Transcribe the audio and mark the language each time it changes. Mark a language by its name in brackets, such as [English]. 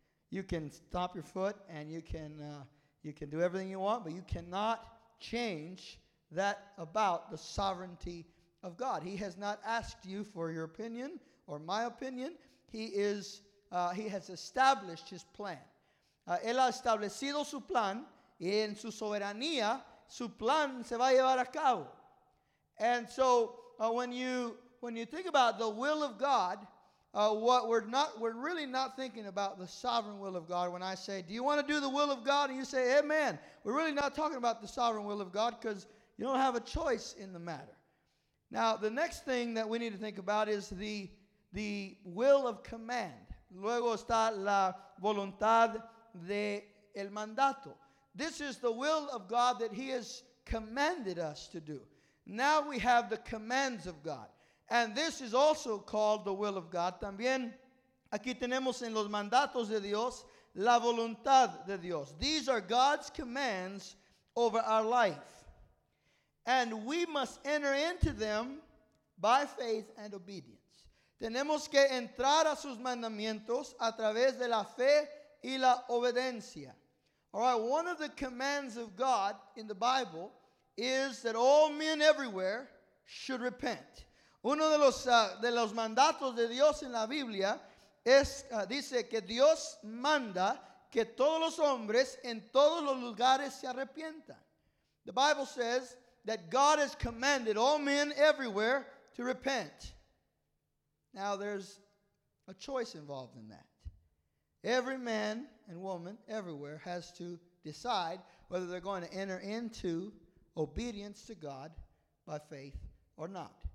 [English] You can stomp your foot and you can do everything you want, but you cannot change that about the sovereignty of God. He has not asked you for your opinion or my opinion. He has established his plan. [Spanish] Él ha establecido su plan, y en su soberanía, su plan se va a llevar a cabo. [English] And so when you think about the will of God, we're really not thinking about the sovereign will of God. When I say, do you want to do the will of God? And you say, amen. We're really not talking about the sovereign will of God because you don't have a choice in the matter. Now, the next thing that we need to think about is the will of command. [Spanish] Luego está la voluntad de el mandato. [English] This is the will of God that he has commanded us to do. Now we have the commands of God. And this is also called the will of God. [Spanish] También aquí tenemos en los mandatos de Dios, la voluntad de Dios. [English] These are God's commands over our life. And we must enter into them by faith and obedience. [Spanish] Tenemos que entrar a sus mandamientos a través de la fe y la obediencia. [English] All right, one of the commands of God in the Bible is that all men everywhere should repent. [Spanish] Uno de los mandatos de Dios en la Biblia es, dice que Dios manda que todos los hombres en todos los lugares se arrepientan. [English] The Bible says that God has commanded all men everywhere to repent. Now there's a choice involved in that. Every man and woman everywhere has to decide whether they're going to enter into obedience to God by faith or not.